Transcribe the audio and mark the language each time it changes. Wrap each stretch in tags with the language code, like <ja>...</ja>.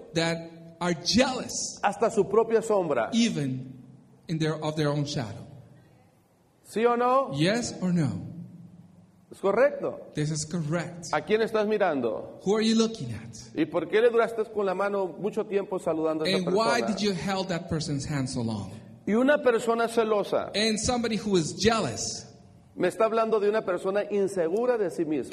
<en>that are jealous</en> <es>hasta su propia sombra</es> <en>even in their of their own shadow.</en> <es>¿Sí o no?</es> <en>Yes or no?</en> <es>Es correcto.</es> <en>This is correct.</en> <es>¿A quién estás mirando?</es> <en>Who are you looking at?</en> <es>¿Y por qué le duraste con la mano mucho tiempo saludando a esa</es> <en>and</en> <es>persona?</es> <en>Why did you held that person's hand so long?</en> <es>Y una persona celosa.</es> <en>And somebody who is jealous.</en> <es>Me está hablando de una persona insegura de sí misma.</es>